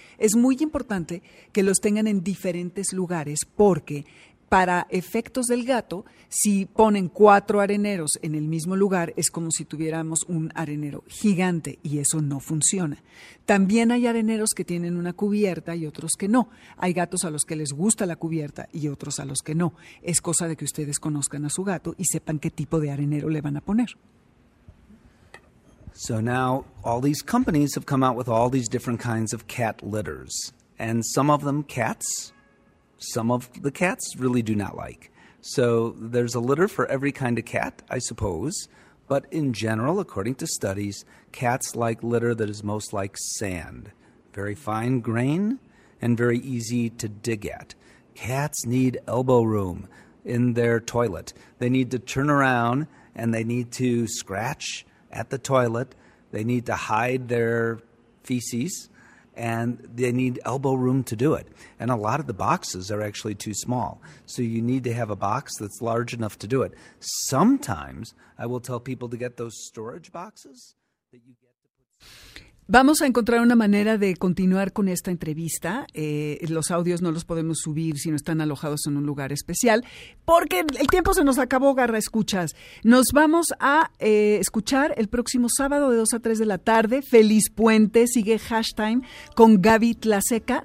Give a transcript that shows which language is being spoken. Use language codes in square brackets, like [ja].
[es] Es muy importante que los tengan en diferentes lugares porque para efectos del gato, si ponen cuatro areneros en el mismo lugar, es como si tuviéramos un arenero gigante y eso no funciona. También hay areneros que tienen una cubierta y otros que no. Hay gatos a los que les gusta la cubierta y otros a los que no. Es cosa de que ustedes conozcan a su gato y sepan qué tipo de arenero le van a poner. [en] So now all these companies have come out with all these different kinds of cat litters. And some of them cats. Some of the cats really do not like. So there's a litter for every kind of cat, I suppose. But in general, according to studies, cats like litter that is most like sand. Very fine grain and very easy to dig at. Cats need elbow room in their toilet. They need to turn around and they need to scratch at the toilet. They need to hide their feces. And they need elbow room to do it. And a lot of the boxes are actually too small. So you need to have a box that's large enough to do it. Sometimes I will tell people to get those storage boxes that you get to put. [es] Vamos a encontrar una manera de continuar con esta entrevista. Los audios no los podemos subir si no están alojados en un lugar especial, porque el tiempo se nos acabó, Garra Escuchas. Nos vamos a escuchar el próximo sábado de 2 a 3 de la tarde. Feliz Puente, sigue Hashtime con Gaby Tlaseca.